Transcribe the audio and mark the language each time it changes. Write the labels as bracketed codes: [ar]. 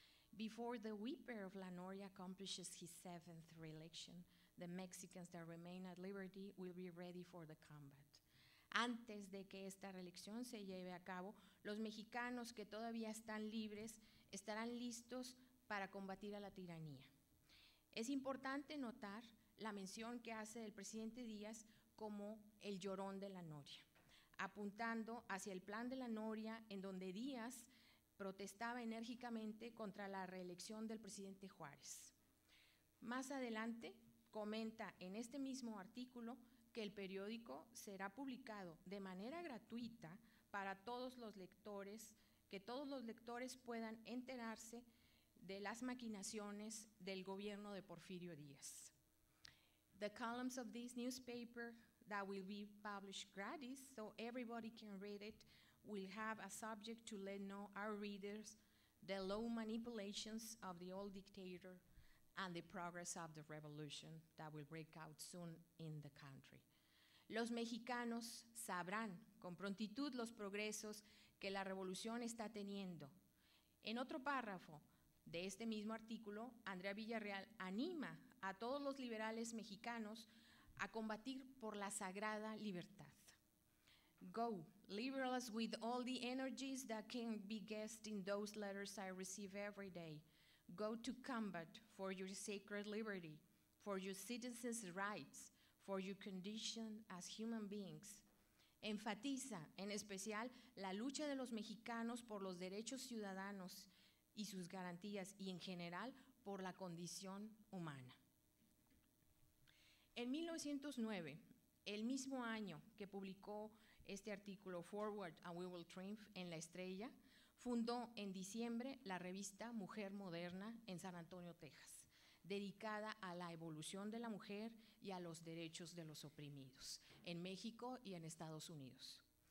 [en] Before the Weeper of La Noria accomplishes his seventh reelection, the Mexicans that remain at liberty will be ready for the combat. [es] Antes de que esta reelección se lleve a cabo, los mexicanos que todavía están libres estarán listos para combatir a la tiranía. Es importante notar la mención que hace el presidente Díaz como el llorón de La Noria, apuntando hacia el plan de La Noria, en donde Díaz protestaba enérgicamente contra la reelección del presidente Juárez. Más adelante, comenta en este mismo artículo que el periódico será publicado de manera gratuita para todos los lectores que todos los lectores puedan enterarse de las maquinaciones del gobierno de Porfirio Díaz. [en] The columns of this newspaper that will be published gratis so everybody can read it will have a subject to let know our readers the low manipulations of the old dictator and the progress of the revolution that will break out soon in the country. [es] Los mexicanos sabrán con prontitud los progresos que la revolución está teniendo. En otro párrafo de este mismo artículo, Andrea Villarreal anima a todos los liberales mexicanos a combatir por la sagrada libertad. [en] Go, liberals, with all the energies that can be guessed in those letters I receive every day. Go to combat for your sacred liberty, for your citizens' rights, for your condition as human beings. [es] Enfatiza, en especial, la lucha de los mexicanos por los derechos ciudadanos y sus garantías, y en general, por la condición humana. En 1909, el mismo año que publicó este artículo Forward and We Will Triumph en La Estrella, fundó en diciembre la revista Mujer Moderna en San Antonio, Texas, dedicada a la evolución de la mujer y a los derechos de los oprimidos en México y en Estados Unidos.